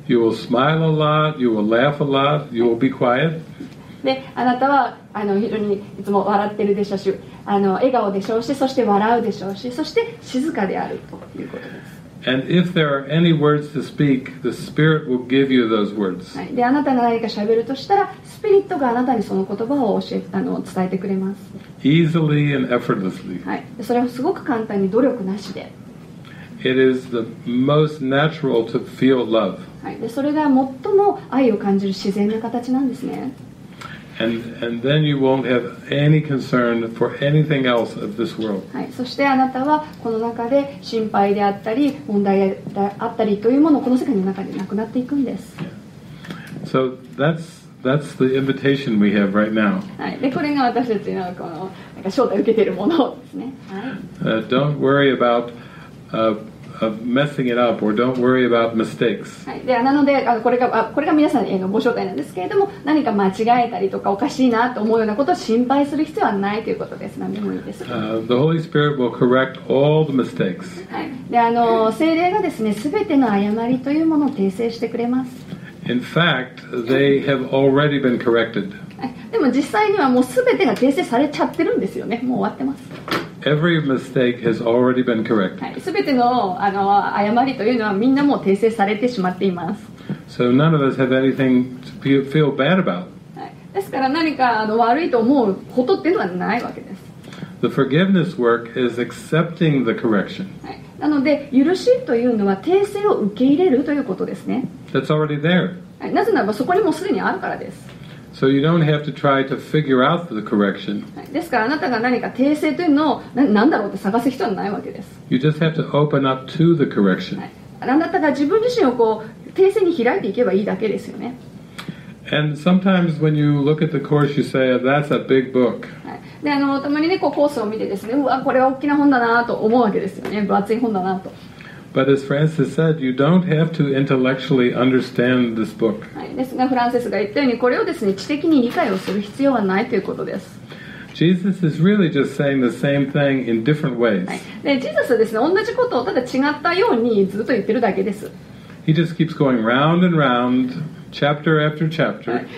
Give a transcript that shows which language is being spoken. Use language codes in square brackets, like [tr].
[en] You will smile a lot, you will laugh a lot, you will be quiet. [ja] で、あなたは非常にいつも笑ってるでしょうし、笑顔でしょうし、そして笑うでしょうし、そして静かであるということです。 [en] And if there are any words to speak, the Spirit will give you those words. [ja] はい。で、あなたが何か喋るとしたら、スピリットがあなたにその言葉を教え、伝えてくれます。 [en] Easily and effortlessly. [ja] はい。それはすごく簡単に努力なしで。 [en] It is the most natural to feel love. [ja] はい、でそれが最も愛を感じる自然な形なんですね。 [en] And then you won't have any concern for anything else of this world. [ja] はい、そしてあなたはこの中で心配であったり問題であったりというものをこの世界の中でなくなっていくんです。 [en] So that's the invitation we have right now. [ja] はい、でこれが私たちのこのなんか招待受けているものですね。はい。 [en] Don't worry aboutof messing it up or don't worry about mistakes. [ja] はい、なのでこれが皆さんへのご招待なんですけれども、何か間違えたりとかおかしいなと思うようなことを心配する必要はないということです。何でもいいです。 [en] The Holy Spirit will correct all the mistakes. [ja] はい、で聖霊がですね、すべての誤りというものを訂正してくれます。 [en] In fact, they have already been corrected. [ja] でも実際にはもうすべてが訂正されちゃってるんですよね。もう終わってます。 [en] Every mistake has already been corrected. [ja] すべての誤りというのはみんなもう訂正されてしまっています。 [en] So none of us have anything to feel bad about. [ja] ですから何か悪いと思うことっていうのはないわけです。 [en] The forgiveness work is accepting the correction. [ja] なので許しというのは訂正を受け入れるということですね。 [en] That's already there. [ja] なぜならばそこにもすでにあるからです。 [en] So you don't have to try to figure out the correction. [ja] ですからあなたが何か訂正というのを何だろうって探す必要はないわけです。 [en] You just have to open up to the correction. [ja] あなたが自分自身をこう訂正に開いていけばいいだけですよね。 [en] And sometimes when you look at the course, you say, "That's a big book." [ja] で、たまにね、こうコースを見てですね、うわ、これは大きな本だなと思うわけですよね、分厚い本だなと。 [en] But as Francis said, you don't have to intellectually understand this book. [ja] ですが、フランセスが言ったように、これをですね、知的に理解をする必要はないということです。 [en] Jesus is really just saying the same thing in different ways. [ja] で、ジーザスはですね、同じことをただ違ったようにずっと言ってるだけです。 [en] He just keeps going round and round, chapter after chapter.